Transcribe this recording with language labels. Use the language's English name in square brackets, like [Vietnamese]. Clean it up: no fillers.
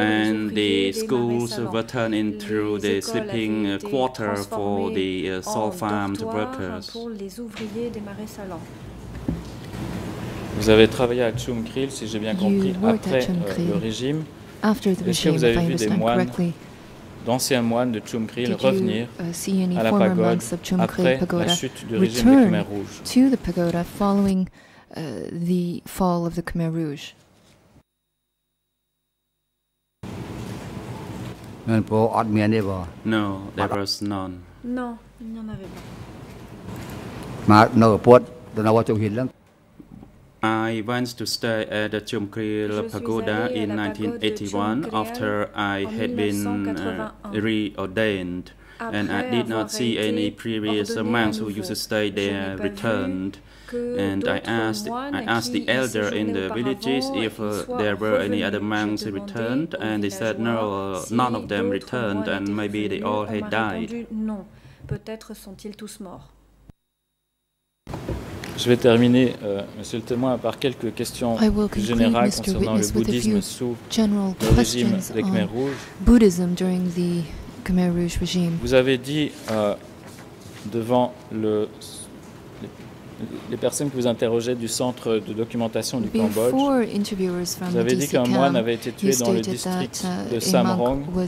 [English] and the schools were turned into the sleeping quarter for the salt farm workers. [French] Pour les ouvriers des marais salants. Vous avez travaillé à Chumkril, si j'ai bien compris, après le régime. [English] After the [French] Est-ce que vous avez vu des moines, d'anciens moines de Chumkril, revenir à la pagode après la chute du régime des Khmer Rouge? [English] No, there was none. No, there was none. I went to stay at the Chumkril Pagoda in 1981 after I had been reordained. And I did not see any previous monks who used to stay there returned. And I asked the elder in the villages if there were any other monks who returned, and they said no, none of them returned, and maybe they all had died. [French] Non, peut-être sont-ils tous morts. Je vais terminer, Monsieur le témoin, par quelques questions générales concernant le bouddhisme sous le régime des Khmer Rouge. [English] Buddhism during the Khmer Rouge regime. [French] Vous avez dit devant le les personnes que vous interrogez du centre de documentation du Cambodge, vous avez dit qu'un moine avait été tué dans le district de Samrong,